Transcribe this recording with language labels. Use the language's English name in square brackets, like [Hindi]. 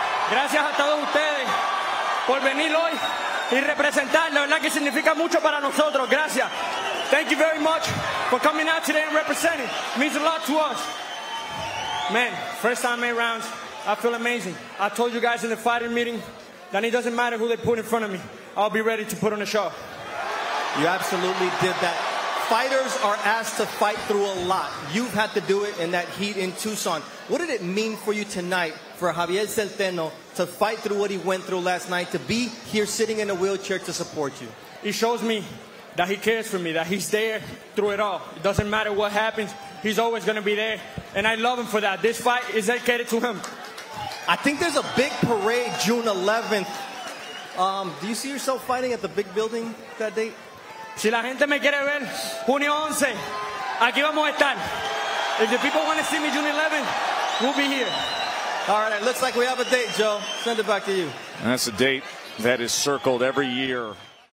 [Spanish] Gracias a todos ustedes por venir hoy y representar. La verdad que significa mucho para nosotros. Gracias. [English] Thank you very much for coming out today and representing. It means a lot to us. Man, first time 8 rounds, I feel amazing. I told you guys in the fighting meeting that it doesn't matter who they put in front of me. I'll be ready to put on a show. You absolutely did that. Fighters are asked to fight through a lot. You've had to do it in that heat in Tucson. What did it mean for you tonight for Javier Centeno to fight through what he went through last night, to be here sitting in a wheelchair to support you? It shows me that he cares for me, that he's there through it all. It doesn't matter what happens. He's always going to be there, and I love him for that. This fight is dedicated to him. I think there's a big parade June 11th. Do you see yourself fighting at the big building that day? [Spanish] Si la gente me quiere ver junio 11, aquí vamos a estar. [English] If the people want to see me June 11th, we'll be here. All right, it looks like we have a date, Joe. Send it back to you. And that's a date that is circled every year.